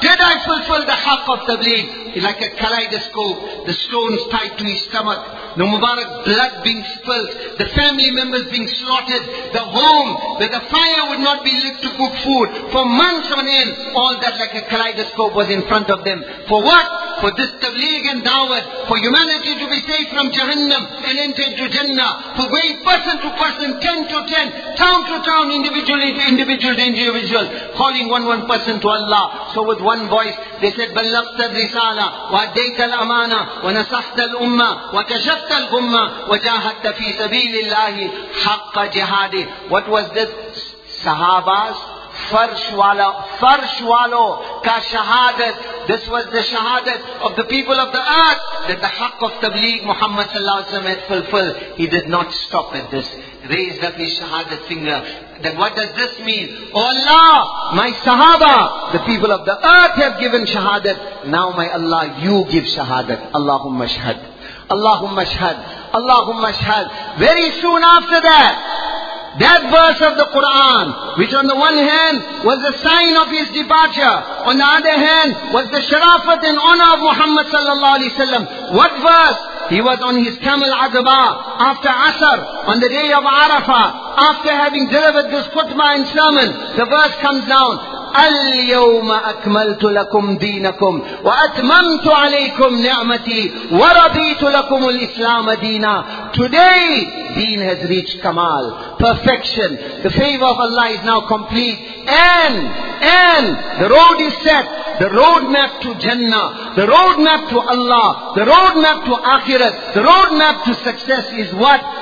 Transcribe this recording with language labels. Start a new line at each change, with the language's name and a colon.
English: Did I fulfill the haqq of tabligh? Like a kaleidoscope, the stones tied to his stomach, the Mubarak blood being spilt, the family members being slaughtered, the home where the fire would not be lit to cook food for months on end. All that like a kaleidoscope was in front of them. For what? for this tabligh and dawah, for humanity to be saved from Jahannam and enter to Jannah, for going person to person, 10 to 10, town to town, individually to individual to individual, calling one person to Allah. So with one voice, they said,
Arabic: بَلَّقْتَ الرِّسَالَ وَعَدَّيْتَ الْأَمَانَ وَنَصَحْتَ الْأُمَّةِ وَكَشَفْتَ الْغُمَّةِ وَجَاهَدْتَ فِي سَبِيلِ اللَّهِ حَقَّ جِهَادِ.
English: What was this? Sahabas?
Urdu: Farshwalo ka shahadat.
English: This was the shahadat of the people of the earth that the haqq of tabligh Muhammad sallallahu alaihi wasallam had fulfilled. He did not stop at this. Raised up his shahadat finger. Then what does this mean? Oh Allah, my sahaba, the people of the earth have given shahadat. Now my Allah, you give shahadat.
Arabic: Allahumma shahad. Allahumma shahad. Allahumma shahad.
English: Very soon after that, that verse of the Quran, which on the one hand was the sign of his departure, on the other hand was the sharafat and honor of Muhammad sallallahu alaihi wasallam. What verse? He was on his camel Adaba after Asr on the day of Arafah, after having delivered this khutbah and sermon. The verse comes down.
Arabic: اليوم أكملت لكم دينكم وأتممت عليكم نعمتي ورضيت لكم الإسلام دينا.
English: Today, deen has reached kamal, perfection. The favor of Allah is now complete. And the road is set. The road map to Jannah, the road map to Allah, the road map to Akhirat, the road map to success is what?